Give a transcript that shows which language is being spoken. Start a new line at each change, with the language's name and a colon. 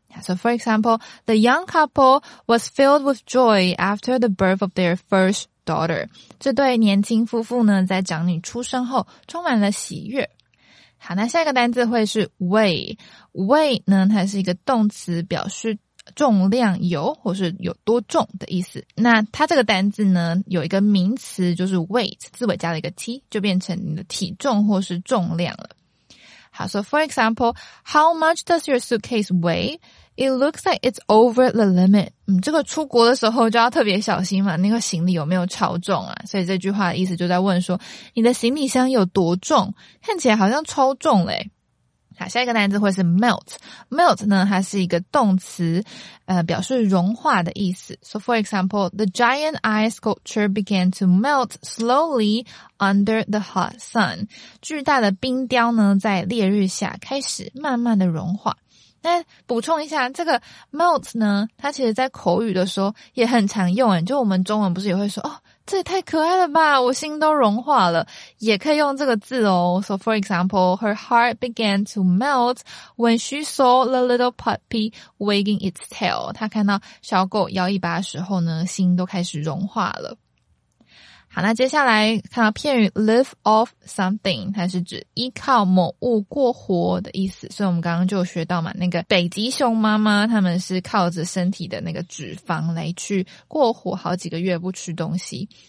English: So for example, the young couple was filled with joy after the birth of their first daughter.
Chinese: 这对年轻夫妇呢，在长女出生后充满了喜悦。好，那下一个单字会是 weigh 呢，它是一个动词，表示重量有或是有多重的意思。那它这个单字呢，有一个名词就是 weight， 字尾加了一个 t， 就变成你的体重或是重量了。
English: 好 ，so for example, how much does your suitcase weigh? It looks like it's over the limit.
Chinese: 这个出国的时候就要特别小心嘛，那个行李有没有超重啊？所以这句话的意思就在问说，你的行李箱有多重？看起来好像超重嘞。好，下一个单字会是 melt。melt 呢，它是一个动词，表示融化的意思。
English: So for example, the giant ice sculpture began to melt slowly under the hot sun.
Chinese: 巨大的冰雕呢，在烈日下开始慢慢的融化。那补充一下，这个 melt 呢，它其实在口语的时候也很常用，就我们中文不是也会说，哦，这也太可爱了吧，我心都融化了，也可以用这个字哦。
English: So for example, her heart began to melt when she saw the little puppy wagging its tail.
Chinese: 她看到小狗摇尾巴的时候呢，心都开始融化了。好，那接下来看到片语 live off something, 它是指依靠某物过活的意思。所以我们刚刚就有学到嘛，那个北极熊妈妈他们是靠着身体的那个脂肪来去过活好几个月不吃东西。